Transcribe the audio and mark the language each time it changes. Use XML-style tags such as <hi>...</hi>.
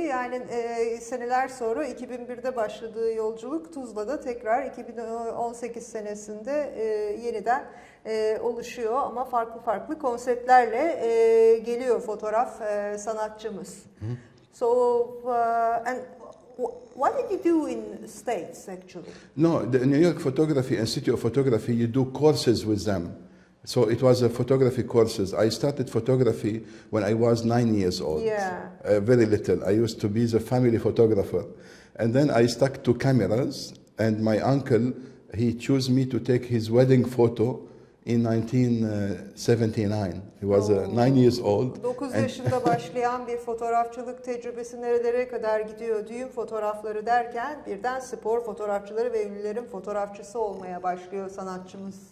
<tr>Yani seneler sonra 2001'de başladığı yolculuk Tuzla'da tekrar 2018 senesinde yeniden oluşuyor, ama farklı konseptlerle geliyor fotoğraf sanatçımız. Hı.</tr> <en>So and what did you do in States actually? No, the New York Photography Institute of Photography, you do courses with them. So it was a photography courses. I started photography when I was 9 years old. Yeah. Very little. I used to be the family photographer. And then I stuck to cameras, and my uncle, he chose me to take his wedding photo in 1979. He was 9 years old.</en> <tr>9 yaşında başlayan bir fotoğrafçılık tecrübesi nerelere kadar gidiyor? Düğün fotoğrafları derken birden spor fotoğrafçıları ve ünlülerin fotoğrafçısı olmaya başlıyor sanatçımız.</tr>